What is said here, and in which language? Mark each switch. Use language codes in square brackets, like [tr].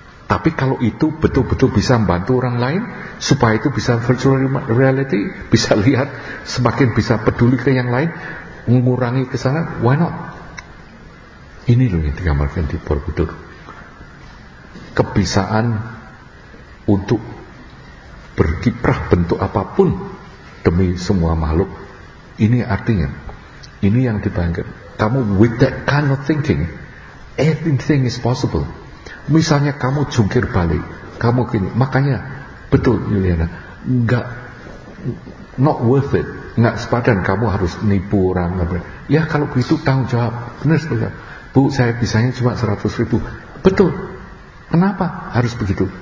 [id] Tapi kalau itu betul-betul bisa membantu orang lain, supaya itu bisa virtual reality, bisa lihat, semakin bisa peduli ke yang lain, mengurangi kesana, [en] why not? [id] Ini loh yang digambarkan di Borobudur. Kebisaan untuk berkiprah bentuk apapun demi semua makhluk, ini artinya, ini yang dibayangkan. Kamu [en] with that kind of thinking, anything is possible. [id] Misalnya kamu jungkir balik, kamu gini, makanya betul Yuliana, enggak, [en] not worth it, [id] enggak sepadan kamu harus nipu orang. Ya kalau begitu tanggung jawab, benar sebenarnya. Bu, saya bisanya cuma 100.000. Betul. Kenapa harus begitu?